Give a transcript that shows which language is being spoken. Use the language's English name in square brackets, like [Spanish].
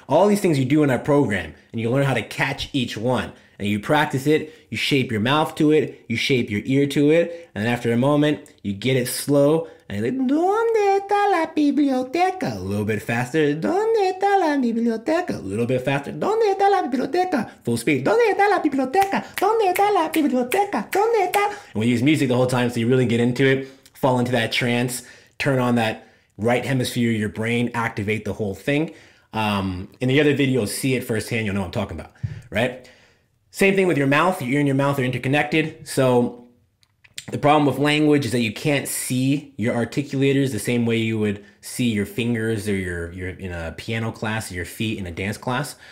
[English] All these things you do in our program, and you learn how to catch each one. And you practice it, you shape your mouth to it, you shape your ear to it, and after a moment, you get it slow, and you're like, [Spanish] ¿Dónde está la biblioteca? [English] A little bit faster, [Spanish] ¿Dónde está la biblioteca? [English] A little bit faster, ¿Dónde está la biblioteca? Full speed, [Spanish] ¿Dónde está la biblioteca? ¿Dónde está la biblioteca? ¿Dónde está? [English] And we use music the whole time, so you really get into it, fall into that trance, turn on that right hemisphere of your brain, activate the whole thing. In the other video, see it firsthand, you'll know what I'm talking about, right? Same thing with your mouth. Your ear and your mouth are interconnected. So the problem with language is that you can't see your articulators the same way you would see your fingers or your in a piano class, or your feet in a dance class.